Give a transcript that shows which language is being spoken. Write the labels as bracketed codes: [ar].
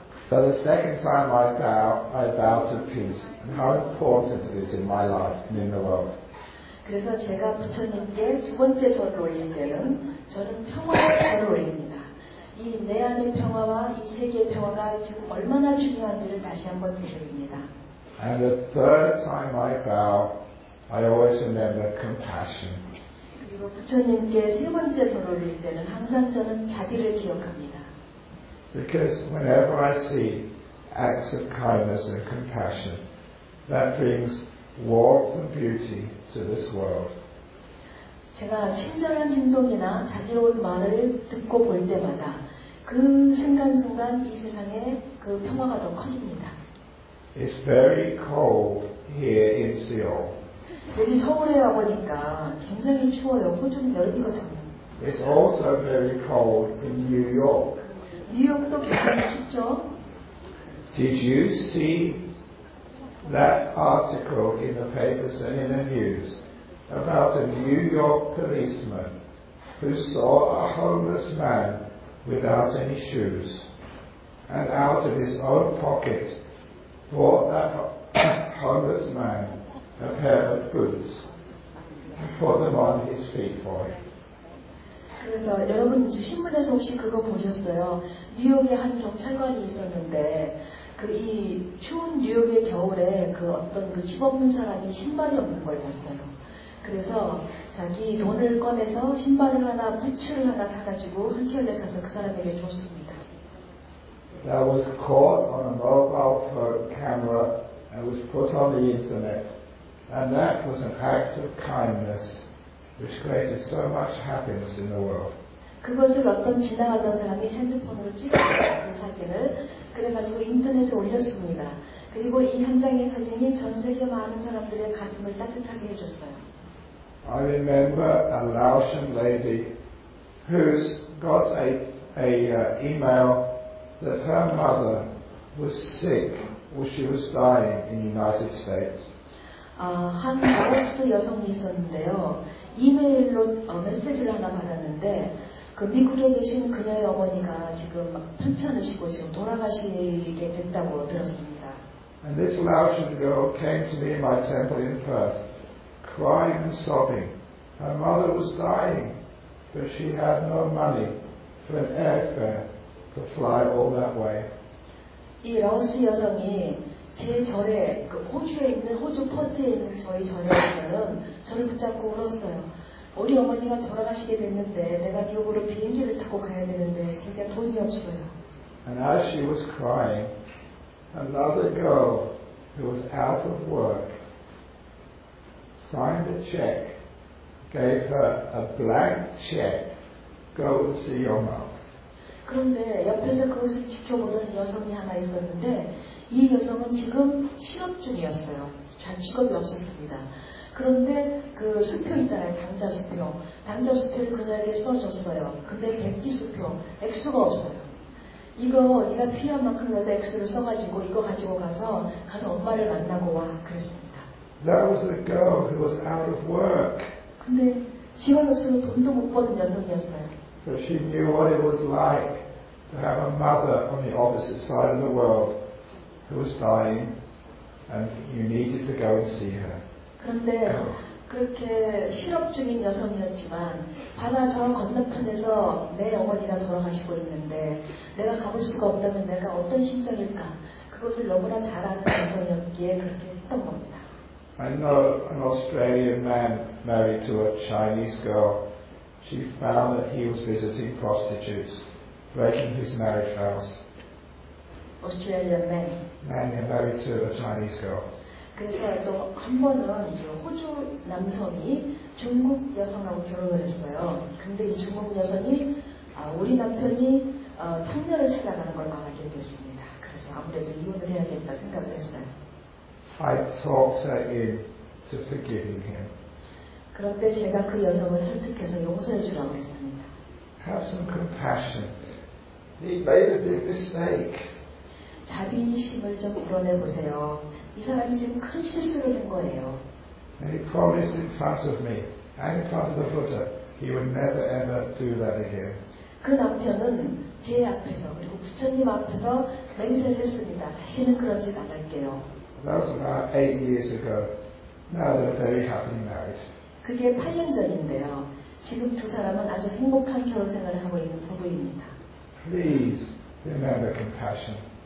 [en] So the second time I bow to peace. How important it is in my life and in the world. [ko] 그래서 제가 부처님께 두 번째 절을 올릴 때는 저는 평화의 절을 올립니다. 이 내 안의 평화와 이 세계의 평화가 지금 얼마나 중요한지를 다시 한번 되새깁니다. [en] And the third time I bow, I always remember compassion. [ko] 그리고 부처님께 세 번째 절을 올릴 때는 항상 저는 자비를 기억합니다. [en] Because whenever I see acts of kindness and compassion, that brings warmth and beauty to this world. [ko] 제가 친절한 행동이나 자비로운 말을 듣고 볼 때마다 그 순간순간 이 세상에 그 평화가 더 커집니다. [en] It's very cold here in Seoul. [ko] 여기 서울에 와 보니까 굉장히 추워요. 꾸준히 여름이거든요. [en] It's also very cold in New York. [ko] 뉴욕도 굉장히 춥죠? [en] Did you see that article in the papers and in the news about a New York policeman who saw a homeless man without any shoes and out of his own pocket bought that homeless man a pair of boots and put them on his feet for him. [ko] 그래서 여러분 신문에서 혹시 그거 보셨어요? 뉴욕에 한 경찰관이 있었는데 그 이 추운 뉴욕의 겨울에 그 어떤 그 집 없는 사람이 신발이 없는 걸 봤어요. 그래서 자기 돈을 꺼내서 신발을 하나, 부츠를 하나 사가지고 흔쾌히 사서 그 사람에게 줬습니다. [en] That was caught on a mobile phone camera and was put on the internet. And that was an act of kindness which created so much happiness in the world. [ko] 그것을 어떤 지나가던 사람이 핸드폰으로 찍어서 그 사진을 그래가지고 인터넷에 올렸습니다. 그리고 이 현장의 사진이 전 세계 많은 사람들의 가슴을 따뜻하게 해줬어요. [en] I remember a Laotian lady who's got an email that her mother was sick or she was dying in the United States. [ko] 한 라오스 여성이 있었는데요. 이메일로 메시지를 하나 받았는데 그 미국에 계신 그녀의 어머니가 지금 편찮으시고 지금 돌아가시게 됐다고 들었습니다. [en] And this Laotian girl came to me in my temple in Perth, crying and sobbing. Her mother was dying, but she had no money for an airfare to fly all that way. [ko] 이 라오스 여성이 제 절에 그 호주에 있는 호주 퍼스에 있는 저희 절에 있는 저를 붙잡고 울었어요. 우리 어머니가 돌아가시게 됐는데 내가 미국으로 비행기를 타고 가야 되는데 제게 돈이 없어요. [en] And as she was crying, another girl who was out of work signed a check, gave her a blank check. Go and see your mom. [ko] 그런데 옆에서 그것을 지켜보던 여성이 하나 있었는데 이 여성은 지금 실업 중이었어요. 잔 직업이 없었습니다. 그런데 그 수표 있잖아요. 당좌 수표. 당좌 수표를 그녀에게 써줬어요. 근데 백지 수표. 액수가 없어요. 이거 네가 필요한 만큼 여자 액수를 써가지고 이거 가지고 가서 엄마를 만나고 와. 그랬습니다. [en] That was a girl who was out of work. [ko] 근데 직업이 없어서 돈도 못 버는 여성이었어요. [en] But she knew what it was like to have a mother on the opposite side of the world who was dying and you needed to go and see her. [ko] 그런데 그렇게 실업 중인 여성이었지만 바다 저 건너편에서 내 어머니가 돌아가시고 있는데 내가 가볼 수가 없다면 내가 어떤 심정일까 그것을 너무나 잘 아는 여성이었기에 그렇게 했던 겁니다. [en] I know an Australian man married to a Chinese girl. She found that he was visiting prostitutes, breaking his marriage vows. Australian man. Man married to a Chinese girl. [ko] 그래서 또 한 번은 이제 호주 남성이 중국 여성하고 결혼을 했어요. 근데 이 중국 여성이 우리 남편이 청년을 찾아가는 걸 막아게 됐습니다. 그래서 아무래도 이혼을 해야겠다 생각을 했어요. [en] I talked her into forgiving him. [ko] 그런데 제가 그 여성을 설득해서 용서해 주라고 했습니다. [en] Have some compassion. He made a big mistake. [ko] 자비심을 좀 우러내 보세요. 이 사람이 지금 큰 실수를 한 거예요. [en] And he promised in front of me and in front of the Buddha he would never ever do that again. [ko] 그 남편은 제 앞에서 그리고 부처님 앞에서 맹세를 했습니다. 다시는 그런 짓 안 할게요. [en] That was about 8 years ago. Now they're very happily married. [ko] 그게 8년 전인데요. 지금 두 사람은 아주 행복한 결혼 생활을 하고 있는 부부입니다. [en] Please remember compassion.